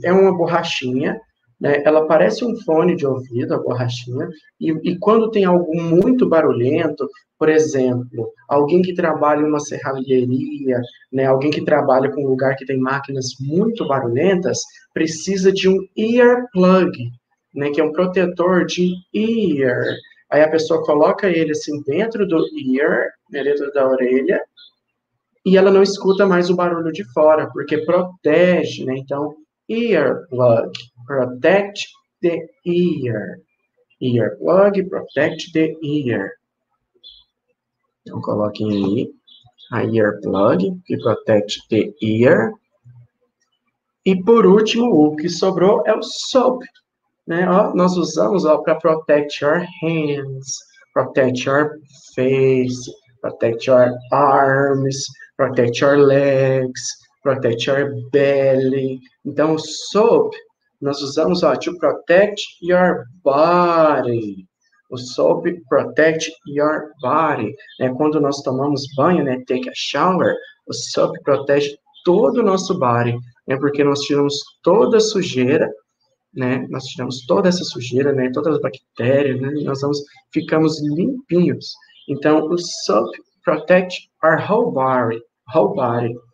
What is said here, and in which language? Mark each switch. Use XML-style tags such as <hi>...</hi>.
<pt>É uma borrachinha. Né, ela parece um fone de ouvido, a borrachinha, e quando tem algo muito barulhento, por exemplo, alguém que trabalha em uma serralheria, né, alguém que trabalha com um lugar que tem máquinas muito barulhentas, precisa de um earplug, né, que é um protetor de ear. Aí a pessoa coloca ele assim dentro do ear, né, dentro da orelha, e ela não escuta mais o barulho de fora, porque protege, né, então, earplug.</pt> <en>Protect the ear. Earplug, protect the ear.</en> <pt>Então, coloquem aí a earplug, que</pt> <en>protect the ear.</en> <pt>E, por último, o que sobrou é o soap. Né? Ó, nós usamos para</pt> <en>protect your hands, protect your face, protect your arms, protect your legs, protect your belly.</en> <pt>Então, o soap... Nós usamos, ó,</pt> <en>to protect your body. O soap protect your body.</en> <pt>É quando nós tomamos banho, né,</pt> <en>take a shower,</en> <pt>o soap protege todo o nosso body. É porque nós tiramos toda a sujeira, né? Nós tiramos toda essa sujeira, né? Todas as bactérias, né? Nós vamos, ficamos limpinhos. Então, o</pt> <en>soap protect our whole body. Whole body.</en>